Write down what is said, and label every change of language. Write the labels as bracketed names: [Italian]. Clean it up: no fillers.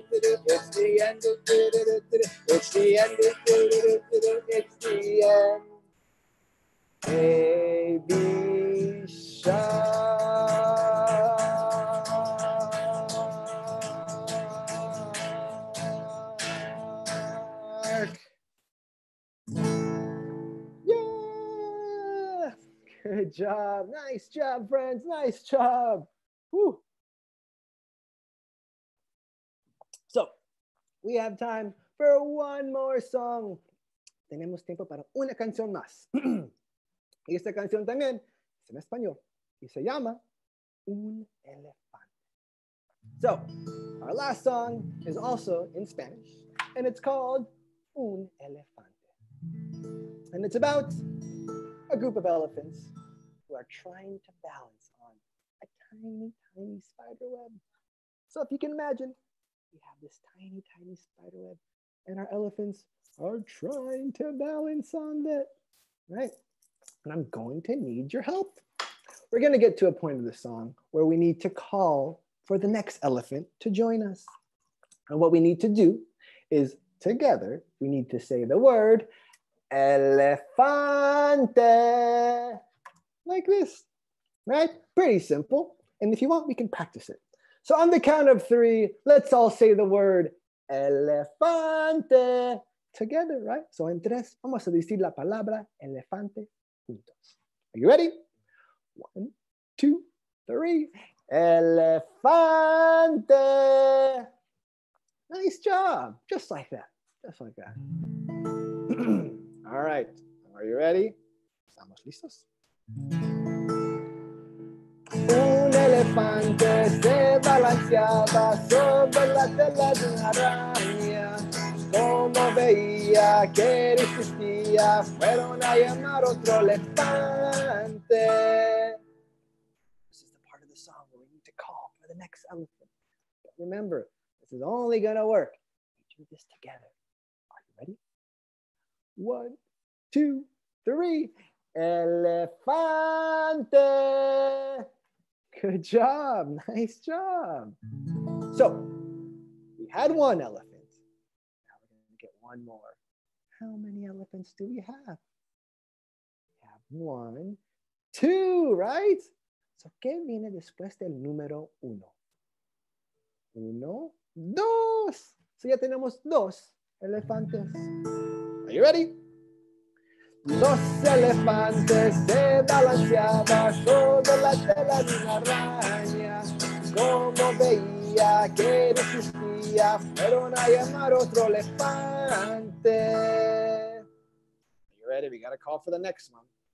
[English] It's the end of it's the end of it's the end of it's the end of it's the end of it's the end of it's the We have time for one more song. [Spanish] Tenemos tiempo para una canción más. Y esta canción también es en español, y se llama Un Elefante. [English] So, our last song is also in Spanish, and it's called Un Elefante. And it's about a group of elephants who are trying to balance on a tiny, tiny spider web. So if you can imagine, we have this tiny, tiny spider web, and our elephants are trying to balance on it, right? And I'm going to need your help. We're gonna get to a point of the song where we need to call for the next elephant to join us. And what we need to do is together, we need to say the word, elefante, like this, right? Pretty simple. And if you want, we can practice it. So on the count of three, let's all say the word, elefante, together, right? [Spanish] So en tres, vamos a decir la palabra elefante juntos. [English] Are you ready? One, two, three. Elefante. Nice job. Just like that. Just like that. All right. Are you ready? [Spanish] Estamos listos. Un elefante se balanceaba sobre la tela de una araña. Como veía que resistía, fueron a llamar otro elefante. [English] This is the part of the song where we need to call for the next elephant. But remember, this is only going to work. We do this together. Are you ready? One, two, three. Elefante. Good job. Nice job. So, we had one elephant. Now we're going to get one more. How many elephants do we have? We have one, two, right? [Spanish] So, ¿qué viene después del número uno? Uno, dos. So, ya tenemos dos elefantes. [English] Are you ready? [Spanish] Los elefantes se balanceaban sobre la tela de una araña. Como veía que resistía, fueron a llamar otro elefante. [English] Are you ready? We got to call for the next one.